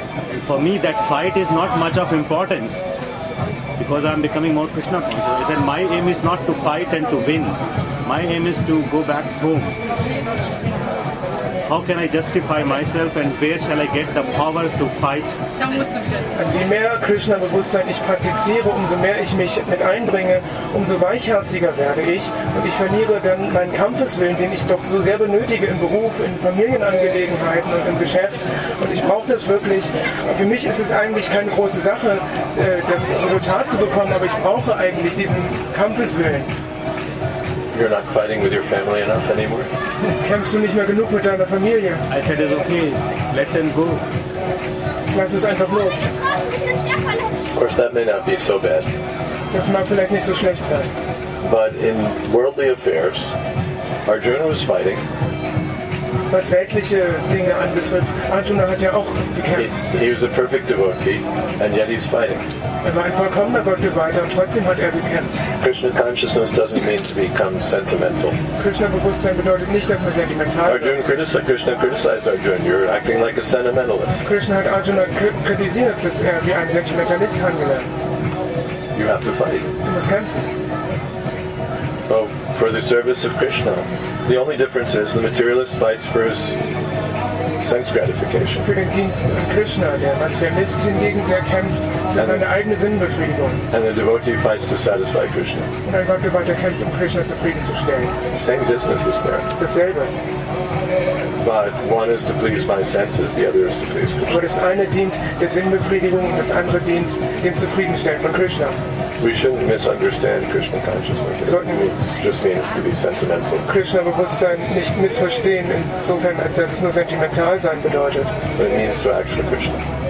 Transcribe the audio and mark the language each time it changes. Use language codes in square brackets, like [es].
[en] And for me, that fight is not much of importance. Because I'm becoming more Krishna conscious. And my aim is not to fight and to win. My aim is to go back home. How can I justify myself and where shall I get the power to fight? [de] Je mehr Krishna-Bewusstsein ich praktiziere, umso mehr ich mich mit einbringe, umso weichherziger werde ich. Und ich verliere dann meinen Kampfeswillen, den ich doch so sehr benötige im Beruf, in Familienangelegenheiten und im Geschäft. Und ich brauche das wirklich. Für mich ist es eigentlich keine große Sache, das Resultat zu bekommen, aber ich brauche eigentlich diesen Kampfeswillen. [en] You're not fighting with your family enough anymore. [de] Kämpfst du nicht mehr genug mit deiner Familie? [en] I said it's okay. Let them go. [de] Lass es einfach los. [en] Of course, that may not be so bad. [de] Das mag vielleicht nicht so schlecht sein. [en] But in worldly affairs, Arjuna was fighting. [de] Was weltliche Dinge anbetrifft, Arjuna hat ja auch gekämpft. [en] He was a perfect devotee, and yet he's fighting. [de] Er war ein vollkommener Gottgeweihter, trotzdem hat gekämpft. [en] Krishna consciousness doesn't mean to become sentimental. [de] Krishna-Bewusstsein bedeutet nicht, dass man sentimental wird. [en] Krishna criticized Arjuna, you're acting like a sentimentalist. [de] Krishna hat Arjuna kritisiert, dass er wie ein Sentimentalist handelt. [en] You have to fight. [de] Du musst kämpfen. [en] So, for the service of Krishna, the only difference is the materialist fights for his sense gratification. [de] Für den Dienst an Krishna, der Materialist hingegen, der kämpft für seine eigene Sinnbefriedigung. [en] And the devotee fights to satisfy Krishna. [de] Und ein Gottgeweihter kämpft, um Krishna zufriedenzustellen. [en] Same business is there. [de] Ist dasselbe. [en] But one is to please my senses, the other is to please Krishna. [de] Aber das eine dient der Sinnbefriedigung, das andere dient dem Zufriedenstellen von Krishna. [en] We shouldn't misunderstand Krishna consciousness. It just means to be sentimental. [de] Krishna-Bewusstsein nicht missverstehen insofern, als dass es nur sentimental sein bedeutet. [en] But it means to actually Krishna.